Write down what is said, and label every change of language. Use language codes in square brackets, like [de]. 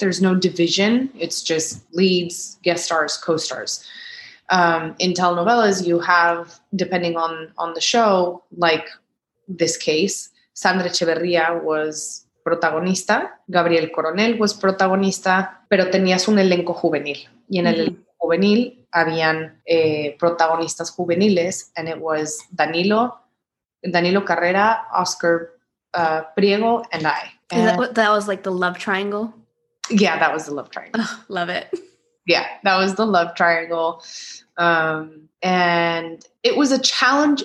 [en] There's no division. It's just leads, guest stars, co-stars. In telenovelas, you have, depending on the show, like this case, Sandra Echeverría was protagonista. [es] Gabriel Coronel was protagonista. Pero tenías un elenco juvenil. Y en el elenco juvenil habían protagonistas juveniles. [en] And it was Danilo Carrera, Oscar Priego, and I. That was like the love triangle? Yeah, that was the love triangle. Oh, love it. Yeah, that was the love triangle. And it was a challenge.